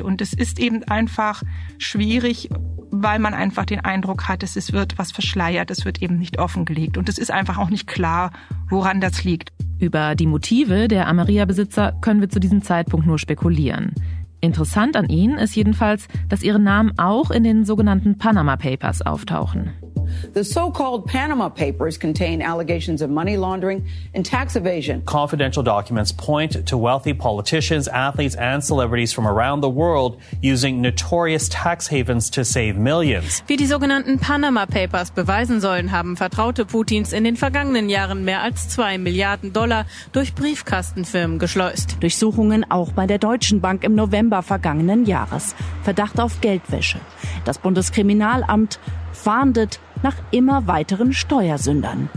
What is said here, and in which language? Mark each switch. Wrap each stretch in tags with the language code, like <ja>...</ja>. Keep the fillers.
<de>Und es ist eben einfach schwierig, weil man einfach den Eindruck hat, es wird was verschleiert, es wird eben nicht offengelegt. Und es ist einfach auch nicht klar, woran das liegt. Über die Motive der Amaria-Besitzer können wir zu diesem Zeitpunkt nur spekulieren. Interessant an ihnen ist jedenfalls, dass ihre Namen auch in den sogenannten Panama Papers auftauchen.</de> <en>The so-called Panama Papers contain allegations of money laundering and tax evasion. Confidential documents point to wealthy politicians, athletes and celebrities from around the world using notorious tax havens to save millions.</en> <de>Wie die sogenannten Panama Papers beweisen sollen, haben Vertraute Putins in den vergangenen Jahren mehr als zwei Milliarden Dollar durch Briefkastenfirmen geschleust. Durchsuchungen auch bei der Deutschen Bank im November vergangenen Jahres. Verdacht auf Geldwäsche. Das Bundeskriminalamt fahndet nach immer weiteren Steuersündern.</de>